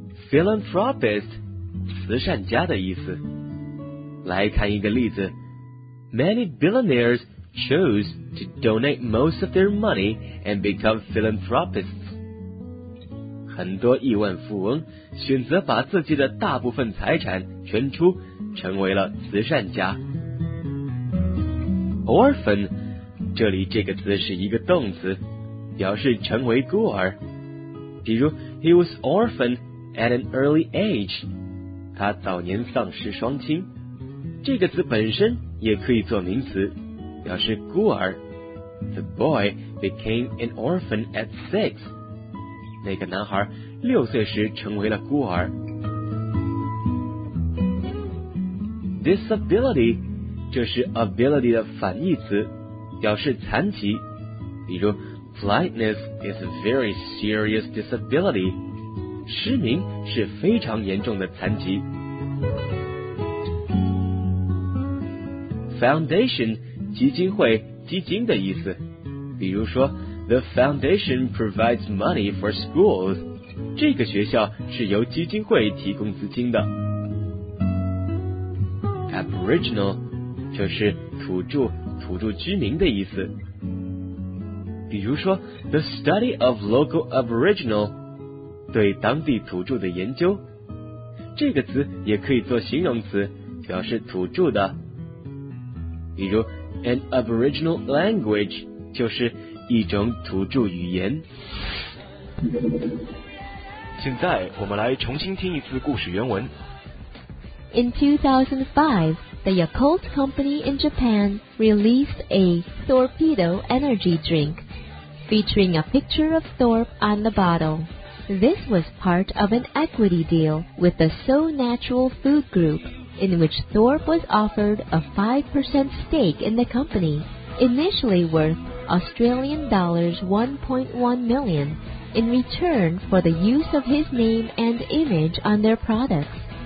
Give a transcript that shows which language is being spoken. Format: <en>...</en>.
<zh>Philanthropist 慈善家的意思。来看一个例子。</zh> <en>Many billionaires chose to donate most of their money and become philanthropists.</en> <zh>很多亿万富翁选择把自己的大部分财产捐出，成为了慈善家。 Orphan 这里这个词是一个动词，表示成为孤儿。比如</zh> <en>He was orphaned at an early age，</en> <zh>他早年丧失双亲。这个词本身也可以做名词，表示孤儿。</zh> <en>The boy became an orphan at 6，</en> <zh>那个男孩六岁时成为了孤儿。 Disability 这是 ability 的反义词，表示残疾。比如</zh> <en>Blindness is a very serious disability，</en> <zh>失明是非常严重的残疾。 Foundation 基金会基金的意思，比如说</zh> <en>The foundation provides money for schools，</en> <zh>这个学校是由基金会提供资金的。 Aboriginal 就是土著、土著居民的意思，比如说</zh> <en>The study of local aboriginal，</en> <zh>对当地土著的研究，这个词也可以做形容词，表示土著的，比如</zh> <en>An aboriginal language</en> <zh>就是一种土著语言。现在我们来重新听一次故事原文。</zh> <en>In 2005, the Yakult Company in Japan released a Thorpedo energy drink featuring a picture of Thorpe on the bottle. This was part of an equity deal with the So Natural Food Groupin which Thorpe was offered a 5% stake in the company, initially worth Australian dollars 1.1 million, in return for the use of his name and image on their products.</en>